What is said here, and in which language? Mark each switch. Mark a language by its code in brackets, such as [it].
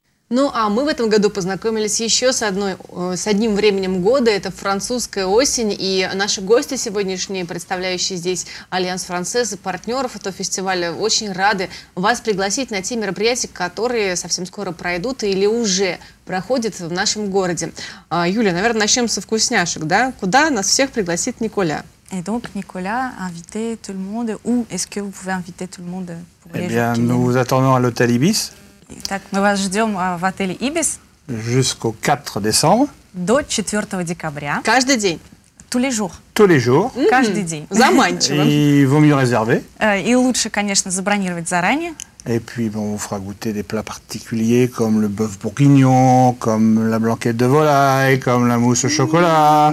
[ru] Ну, а мы в этом году познакомились еще с одним временем года, это французская осень, и наши гости сегодняшние, представляющие здесь Альянс Франсез и партнеров этого фестиваля, очень рады вас пригласить на те мероприятия, которые совсем скоро пройдут или уже проходят в нашем городе. Юля, наверное, начнем со вкусняшек, да? Куда нас всех пригласит Николя? [fr] Et donc, Nicolas, invitez tout le monde, ou est-ce que vous pouvez inviter tout le monde pour les... Eh bien, nous vous attendons à l'hôtel Ibis. [ru] Итак, мы вас ждем в отеле «Ибис». [fr] Jusqu'au 4 décembre. [ru] До 4 декабря. Каждый день. [fr] Tous les jours. Tous les jours. [ru] Mm-hmm. Каждый день. Заманчиво. [fr] И vaut mieux réserver. [ru] И лучше, конечно, забронировать заранее. [fr] Et puis, bon, on vous fera goûter des plats particuliers, comme le bœuf bourguignon, comme la blanquette de volaille, comme la mousse au chocolat.